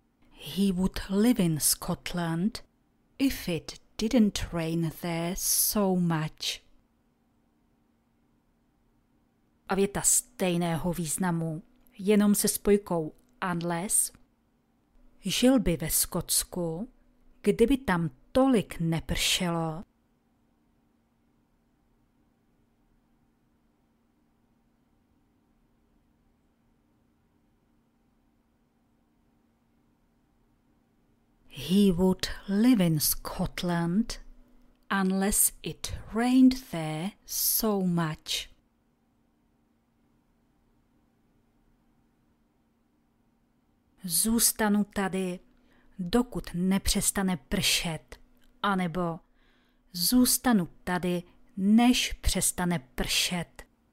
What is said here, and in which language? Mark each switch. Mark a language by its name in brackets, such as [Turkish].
[English] He would live in Scotland if it didn't rain there so much. [Czech] A věta stejného významu, jenom se spojkou unless. Žil by ve Skotsku, kdyby tam tolik nepršelo. [English] He would live in Scotland unless it rained there so much. [Czech] Zůstanu tady, dokud nepřestane pršet, anebo zůstanu tady, než přestane pršet.